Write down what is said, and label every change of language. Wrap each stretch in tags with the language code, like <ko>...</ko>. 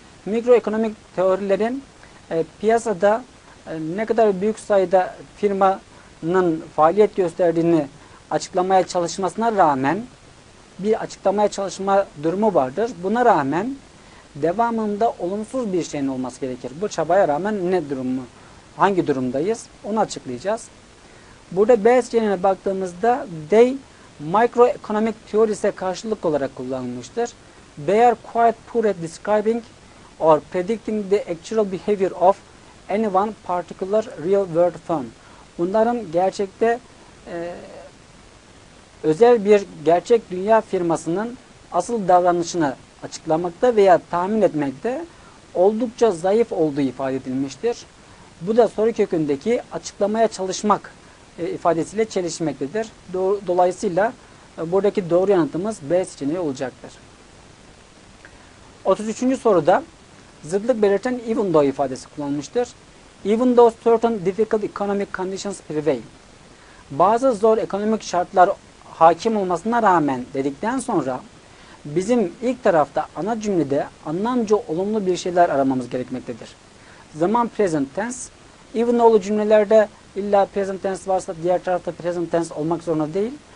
<tr>Microeconomic teorilerin piyasada ne kadar büyük sayıda firmanın faaliyet gösterdiğini açıklamaya çalışmasına rağmen bir açıklamaya çalışma durumu vardır. Buna rağmen devamında olumsuz bir şeyin olması gerekir. Bu çabaya rağmen ne durumu? Hangi durumdayız? Onu açıklayacağız. Burada B seçeneğine baktığımızda they microeconomic theories'e karşılık olarak kullanılmıştır.</tr> <en>They are quite poor at describing or predicting the actual behavior of any one particular real world firm.</en> <tr>Bunların gerçekte özel bir gerçek dünya firmasının asıl davranışını açıklamakta veya tahmin etmekte oldukça zayıf olduğu ifade edilmiştir. Bu da soru kökündeki açıklamaya çalışmak ifadesiyle çelişmektedir. Dolayısıyla buradaki doğru yanıtımız B seçeneği olacaktır. 33. soruda zıtlık belirten even though ifadesi kullanılmıştır.</tr> <en>Even though certain difficult economic conditions prevail.</en> <tr>Bazı zor ekonomik şartlar hakim olmasına rağmen dedikten sonra bizim ilk tarafta ana cümlede anlamca olumlu bir şeyler aramamız gerekmektedir. Zaman present tense, even though cümlelerde illa present tense varsa diğer tarafta present tense olmak zorunda değil.</tr>